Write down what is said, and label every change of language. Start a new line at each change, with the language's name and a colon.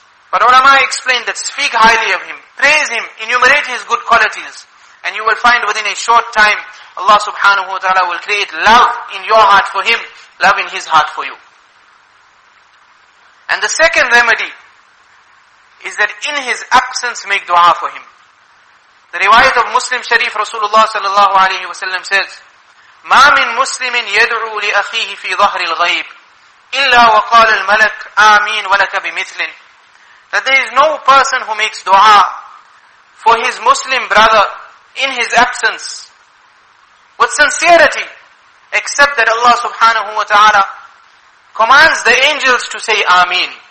English: But ulama explained that speak highly of him, praise him, enumerate his good qualities, and you will find within a short time, Allah subhanahu wa ta'ala will create love in your heart for him, love in his heart for you. And the second remedy is that in his absence make dua for him. The riwayat of Muslim Sharif, Rasulullah sallallahu alayhi wa sallam says,
Arabic: مَا مِن مُسْلِمٍ يَدْعُوا لِأَخِيهِ فِي ظَهْرِ الْغَيْبِ إِلَّا وَقَالَ الْمَلَكُ آمِينَ وَلَكَ بِمِثْلٍ.
English: That there is no person who makes dua for his Muslim brother in his absence with sincerity, except that Allah subhanahu wa ta'ala commands the angels to say Ameen.